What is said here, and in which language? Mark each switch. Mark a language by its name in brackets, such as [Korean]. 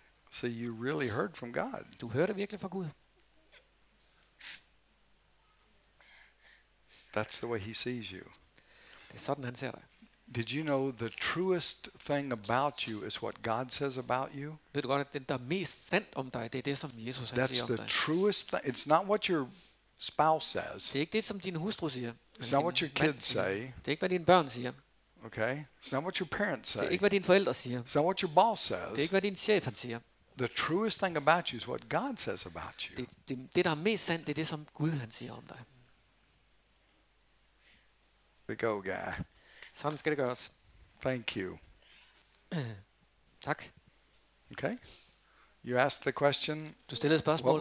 [English] So you really heard from God. [Danish] Du hørte virkelig fra Gud. [English] That's the way he sees you. [Danish] Det er sådan han ser dig. [English] Did you know the truest thing about you is what God says about you? [Danish] Ved du godt, at det der er mest sandt om dig, det er det som Jesus siger om dig. [English] That's the truest thing. It's not what your spouse says. [Danish] Det er ikke det som din hustru siger. [English] It's not what your kids say. [Danish] Det er ikke hvad dine børn siger. [English] Okay. It's not what your parents say. [Danish] Det er ikke hvad dine forældre siger. [English] It's not what your boss says. [Danish] Det er ikke hvad din chef han siger. [English] The truest thing about you is what God says about you. [Danish] Det der er mest sandt, det er det som Gud han siger om dig. [English] To go, guy. [Danish] Sådan skal det gøres. [English] Thank you. [Danish] Tak. [English] Okay. You asked the question. [Danish] Du stillede spørgsmålet.